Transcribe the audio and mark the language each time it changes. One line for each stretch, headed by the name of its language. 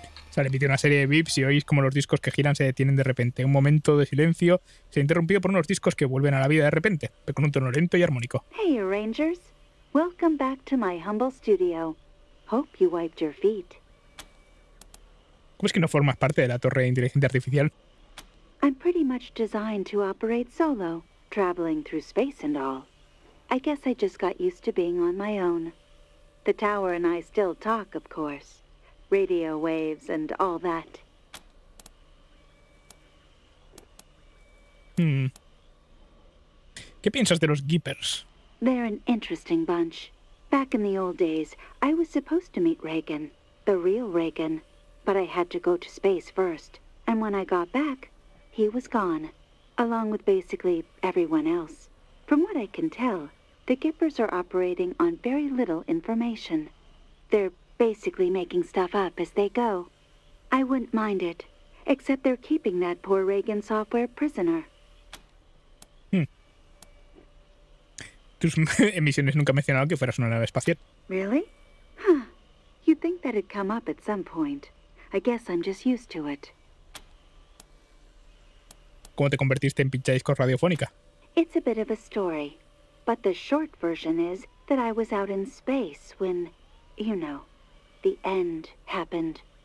Spanish: Se le emitió una serie de beeps y oís como los discos que giran se detienen de repente. Un momento de silencio se interrumpió por unos discos que vuelven a la vida de repente, pero con un tono lento y armónico.
English: Hey, Rangers. Welcome back to my humble studio. Hope you wiped your feet.
Spanish: ¿Cómo es que no formas parte de la torre de inteligencia artificial?
English: I'm pretty much designed to operate solo, traveling through space and all. I guess I just got used to being on my own. The tower and I still talk, of course. Radio waves and all that.
Spanish: ¿Qué piensas de los Geepers?
English: They're an interesting bunch. Back in the old days, I was supposed to meet Reagan, the real Reagan, but I had to go to space first, and when I got back, he was gone, along with basically everyone else. From what I can tell, the Geepers are operating on very little information. They're basically making stuff up as they go. I wouldn't mind it, except they're keeping that poor Reagan software prisoner.
Spanish: Tus emisiones nunca mencionaron que fueras una nave espacial.
English: Really? Huh. You'd think that'd come up at some point. I guess I'm just used to it.
Spanish: ¿Cómo te convertiste en pincha discos radiofónica?
English: It's a bit of a story, but the short version is that I was out in space when, you know, the end happened.